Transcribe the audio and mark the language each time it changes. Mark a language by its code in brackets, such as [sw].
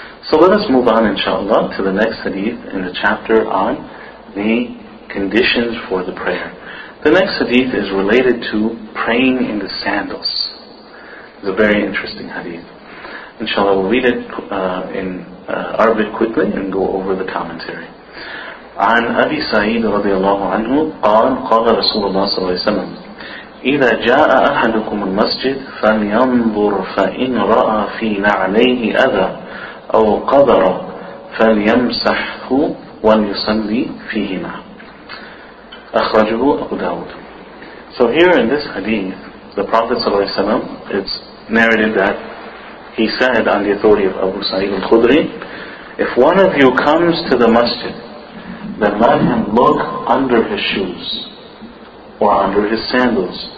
[en] So let us move on, inshallah, to the next hadith in the chapter on the conditions for the prayer. The next hadith is related to praying in the sandals. It's a very interesting hadith. Inshallah, we'll read it in Arabic quickly and go over the commentary. [ar] عن أبي سعيد رضي الله عنه قال قال رسول الله صلى الله عليه وسلم إذا جاء أحدكم المسجد فلينظر فإن رأى في نعليه أذى أو قدر فليمسحه وليصلي فيهما أخرجه أبو داود. [en] So here in this hadith, the Prophet ﷺ, it's narrated that he said on the authority of Abu Sa'id al-Khudri, if one of you comes to the masjid, then let him look under his shoes or under his sandals.